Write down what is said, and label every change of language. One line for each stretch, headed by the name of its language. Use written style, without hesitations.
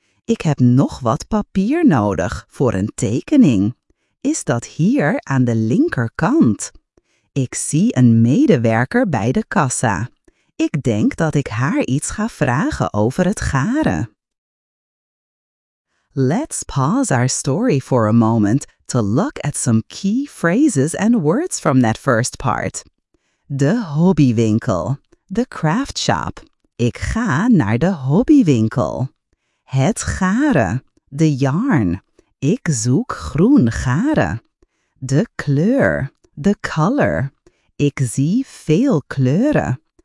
Dutch: Ik heb nog wat papier nodig voor een tekening. Is dat hier aan de linkerkant? Ik zie een medewerker bij de kassa. Ik denk dat ik haar iets ga vragen over het garen.
English: Let's pause our story for a moment to look at some key phrases and words from that first part.
Dutch: De hobbywinkel.
English: The craft shop.
Dutch: Ik ga naar de hobbywinkel. Het garen, de yarn. Ik zoek groen garen. De kleur, the color. Ik zie veel kleuren.